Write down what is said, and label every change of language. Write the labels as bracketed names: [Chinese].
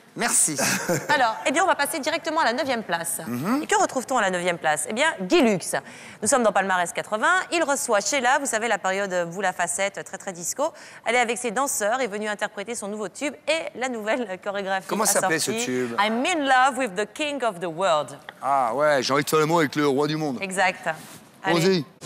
[French] Merci. Alors, eh bien, on va passer directement à la 9e place. Mm-hmm. Et que retrouve-t-on à la 9e place? Eh bien, Guy Lux. Nous sommes dans Palmarès 80. Il reçoit Sheila, vous savez, la période Vous la facette, très très disco. Elle est avec ses danseurs, est venue interpréter son nouveau tube et la nouvelle chorégraphie. Comment s'appelait ce tube? [English] I'm in love with the king of the world. [French] Ah ouais, j'ai envie de faire l'amour avec le roi du monde. Exact. Allez. Vas-y.